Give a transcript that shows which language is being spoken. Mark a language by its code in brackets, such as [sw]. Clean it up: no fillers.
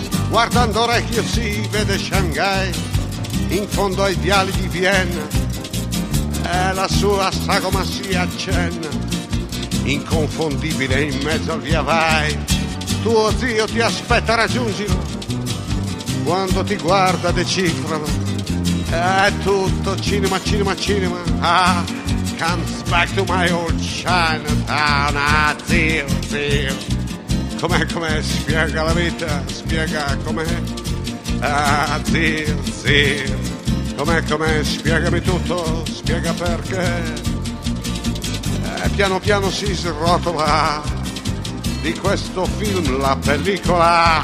[it] Guardando orecchio si vede Shanghai in fondo ai viali di Vienna, e la sua sagoma si accenna inconfondibile in mezzo al via vai. Tuo zio ti aspetta, raggiungilo, quando ti guarda decifralo, è tutto cinema, cinema, cinema. [en] Ah, comes back to my old Chinatown. [it] Ah, zio, zio, com'è, spiega la vita, spiega com'è. Ah, zio, zio, com'è, spiegami tutto, spiega perché. Piano piano si srotola di questo film la pellicola.